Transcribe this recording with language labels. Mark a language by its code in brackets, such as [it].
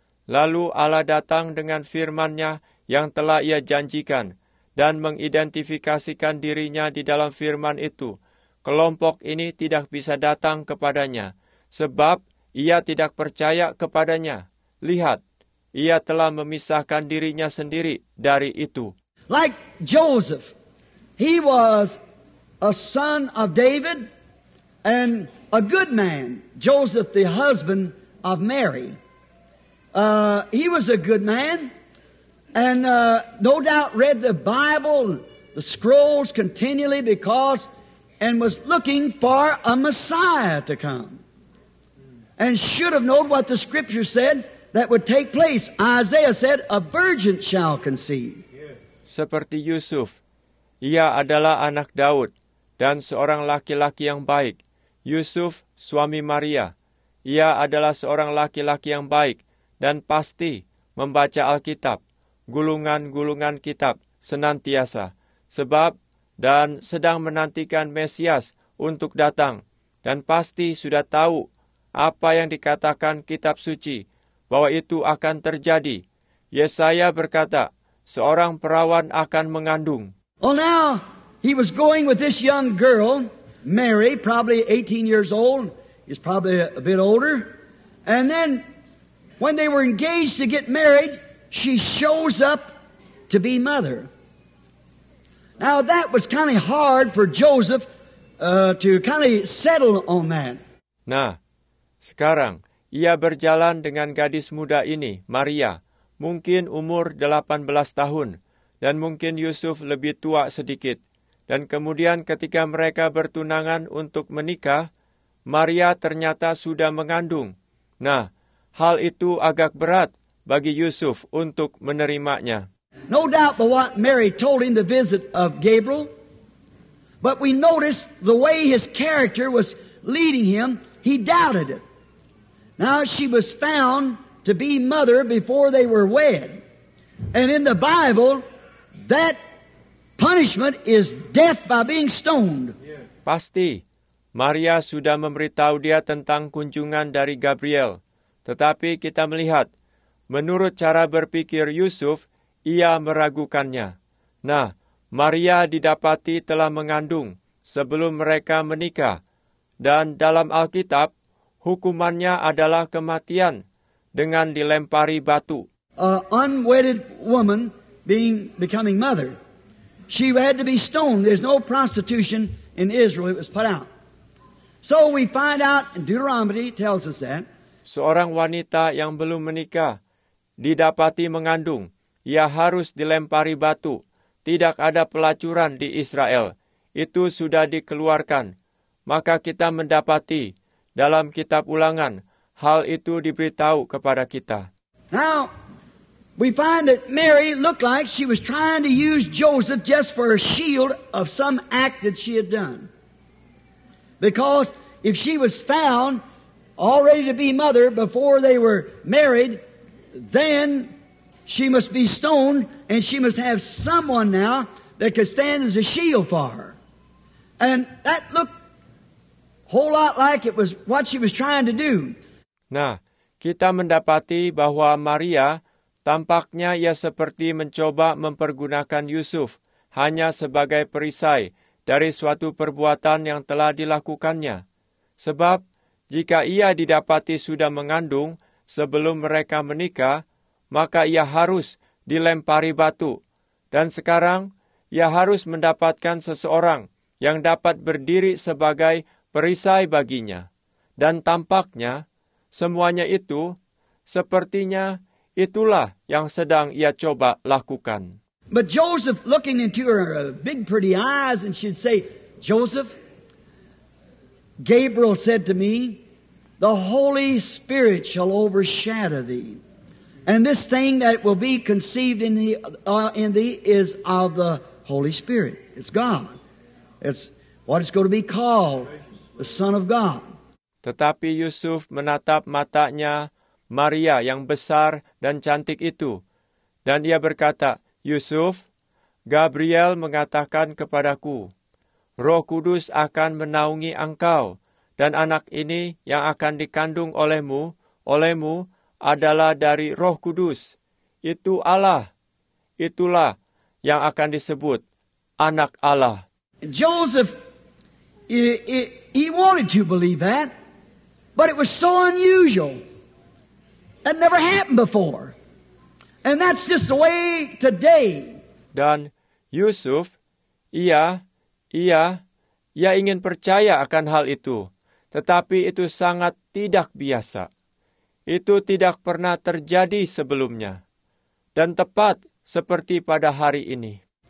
[id] Lalu Allah datang dengan firman-Nya yang telah ia janjikan dan mengidentifikasikan dirinya di dalam firman itu. Kelompok ini tidak bisa datang kepadanya sebab ia tidak percaya kepadanya. Lihat, ia telah memisahkan dirinya sendiri dari itu. [en] Like Joseph, he was a son of David and a good man. Joseph, the husband of Mary. He was a good man, and no doubt read the Bible, the scrolls continually because, and was looking for a Messiah to come. And should have known what the Scripture said that would take place. Isaiah said, a virgin shall conceive. [id] Seperti Yusuf, ia adalah anak Daud, dan seorang laki-laki yang baik. Yusuf, suami Maria, ia adalah seorang laki-laki yang baik. Dan pasti membaca Alkitab, gulungan-gulungan kitab senantiasa, sebab dan sedang menantikan Mesias untuk datang, dan pasti sudah tahu apa yang dikatakan kitab suci, bahwa itu akan terjadi. Yesaya berkata, seorang perawan akan mengandung. [en] Well, now he was going with this young girl, Mary, probably 18 years old, is probably a bit older, and then when they were engaged to get married, she shows up to be mother. Now, that was kind of hard for Joseph to kind of settle on that. [id] Nah, sekarang ia berjalan dengan gadis muda ini, Maria, mungkin umur 18 tahun, dan mungkin Yusuf lebih tua sedikit. Dan kemudian ketika mereka bertunangan untuk menikah, Maria ternyata sudah mengandung. Nah, hal itu agak berat bagi Yusuf untuk menerimanya. [en] No doubt but what Mary told him, the visit of Gabriel. But we notice the way his character was leading him, he doubted it. Now she was found to be mother before they were wed. And in the Bible, that punishment is death by being stoned. [id] Pasti, Maria sudah memberitahu dia tentang kunjungan dari Gabriel. Tetapi kita melihat, menurut cara berpikir Yusuf, ia meragukannya. Nah, Maria didapati telah mengandung sebelum mereka menikah. Dan dalam Alkitab, hukumannya adalah kematian dengan dilempari batu. [en] An unwedded woman becoming mother. She had to be stoned. There's no prostitution in Israel. It was put out. So we find out, Deuteronomy tells us that, [id] seorang wanita yang belum menikah didapati mengandung, ia harus dilempari batu. Tidak ada pelacuran di Israel. Itu sudah dikeluarkan. Maka kita mendapati dalam kitab Ulangan, hal itu diberitahu kepada kita. [en] Now, we find that Mary looked like she was trying to use Joseph just for a shield of some act that she had done. Because if she was found already to be mother before they were married, then She must be stoned, and she must have someone now that could stand as a shield for her. And that looked a whole lot like it was what she was trying to do. [id] Nah, kita mendapati bahwa Maria tampaknya ia seperti mencoba mempergunakan Yusuf hanya sebagai perisai dari suatu perbuatan yang telah dilakukannya. Sebab jika ia didapati sudah mengandung sebelum mereka menikah, maka ia harus dilempari batu. Dan sekarang, ia harus mendapatkan seseorang yang dapat berdiri sebagai perisai baginya. Dan tampaknya, semuanya itu, sepertinya itulah yang sedang ia coba lakukan. [en] But Joseph, looking into her big pretty eyes, and she'd say, Joseph, Gabriel said to me, the Holy Spirit shall overshadow thee. And this thing that will be conceived in thee is of the Holy Spirit. It's God. It's what it's going to be called, the Son of God. [id] Tetapi Yusuf menatap matanya Maria yang besar dan cantik itu. Dan ia berkata, Yusuf, Gabriel mengatakan kepadaku, Roh Kudus akan menaungi engkau, dan anak ini yang akan dikandung olehmu, adalah dari Roh Kudus. Itu Allah. Itulah yang akan disebut anak Allah. [en] Joseph, he wanted to believe that, but it was so unusual. It never happened before. And that's just the way today. [id] Dan Yusuf, ia ingin percaya akan hal itu. Tetapi itu sangat tidak biasa. Itu tidak pernah terjadi sebelumnya. Dan tepat seperti pada hari ini.